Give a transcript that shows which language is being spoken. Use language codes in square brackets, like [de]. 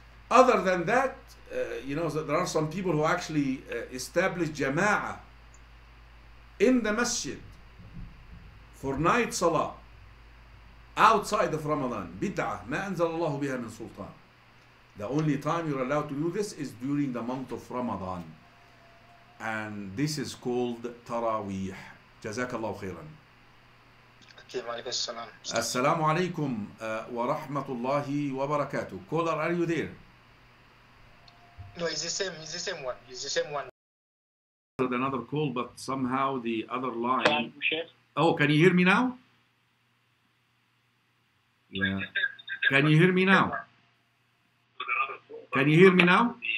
[en] Other than that, you know, there are some people who actually establish jama'ah in the masjid for night salah outside of Ramadan. [ar] Bid'ah, ما أنزل الله بها من سلطان. [en] The only time you're allowed to do this is during the month of Ramadan. And this is called Taraweeh. [ar] جزاك الله خيرا. السلام عليكم ورحمة الله وبركاته. [en] Caller, are you there? No, it's the same one. There's another call, but somehow the other line. Oh, can you hear me now? Can you hear me now? Can you hear me now?